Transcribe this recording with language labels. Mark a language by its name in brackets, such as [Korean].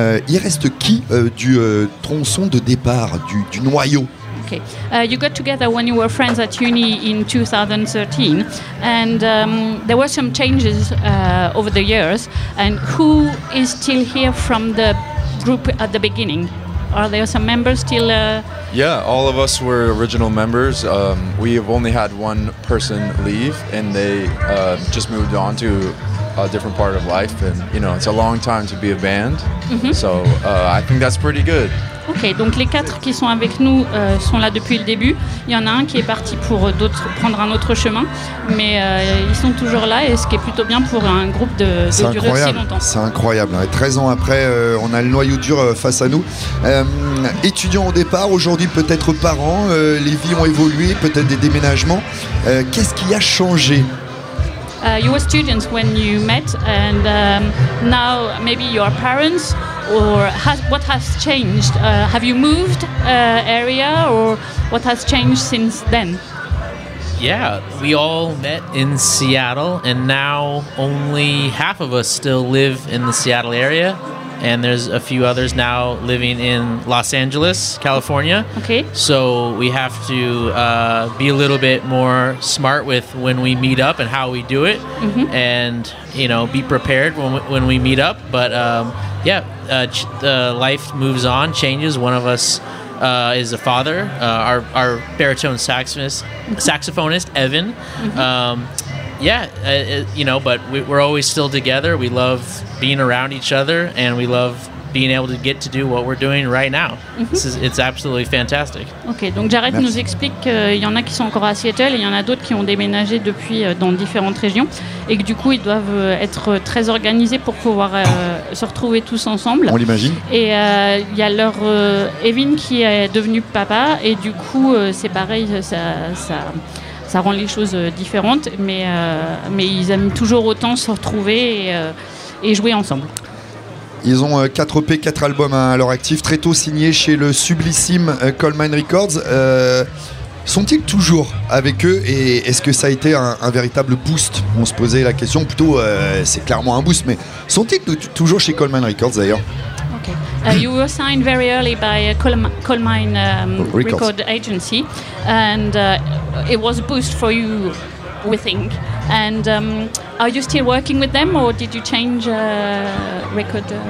[French] Il reste qui du tronçon de départ, du noyau? [English] Okay. You got together when you were friends at uni in 2013, and there were some changes over the years. And who is still here from the group at the beginning? Are there some members still? Yeah, all of us were original members. We have only had one person leave, and they just moved on to a different part of life. And you know, it's a long time to be a band, so I think that's pretty good. [French] Ok, donc les 4 qui sont avec nous sont là depuis le début. Il y en a un qui est parti pour d'autres prendre un autre chemin, mais ils sont toujours là, et ce qui est plutôt bien pour un groupe de durer aussi longtemps. C'est incroyable, hein. 13 ans après, on a le noyau dur face à nous. Étudiants au départ, aujourd'hui peut-être parents, les vies ont évolué, peut-être des déménagements. Qu'est-ce qui a changé? [English] You were students when you met, and now maybe you are parents. Or what has changed? Have you moved area, or what has changed since then? Yeah, we all met in Seattle, and now only half of us still live in the Seattle area, and there's a few others now living in Los Angeles, California. Okay. So we have to be a little bit more smart with when we meet up and how we do it, and you know, be prepared when we meet up. But life moves on, changes. One of us is a father. Our baritone saxophonist Evan. You know, but we're always still together. We love being around each other, and we love being able to get to do what we're doing right now. Mm-hmm. It's absolutely fantastic. [French] Ok, donc Jared Merci. Nous explique qu'il y en a qui sont encore à Seattle et il y en a d'autres qui ont déménagé depuis dans différentes régions et que du coup ils doivent être très organisés pour pouvoir se retrouver tous ensemble. On l'imagine. Et il y a leur Evan qui est devenu papa et du coup c'est pareil, ça rend les choses différentes, mais ils aiment toujours autant se retrouver et jouer ensemble. Ils ont 4 EP, 4 albums à leur actif, très tôt signés chez le sublissime Coleman Records. Sont-ils toujours avec eux et est-ce que ça a été un véritable boost? On se posait la question, plutôt c'est clairement un boost, mais sont-ils toujours chez Coleman Records d'ailleurs? [English] You were signed very early by Coleman Record Agency, and it was a boost for you, we think. And are you still working with them, or did you change record?